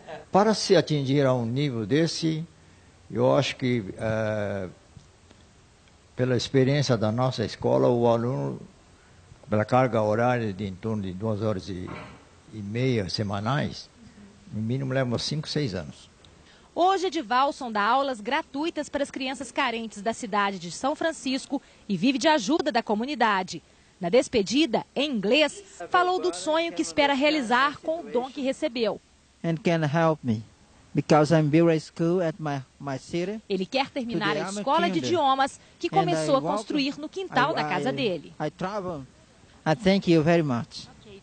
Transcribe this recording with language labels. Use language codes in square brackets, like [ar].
[pt] Para se atingir a um nível desse, eu acho que, pela experiência da nossa escola, o aluno, pela carga horária de em torno de 2 horas e meia semanais, no mínimo leva 5, 6 anos. Hoje, Edvalson dá aulas gratuitas para as crianças carentes da cidade de São Francisco e vive de ajuda da comunidade. Na despedida, em inglês, falou do sonho que espera realizar com o dom que recebeu. [en] And can help me because I'm building a school at my city. [pt] Ele quer terminar a escola de idiomas que começou a construir no quintal da casa dele. [en] I travel. I thank you very much.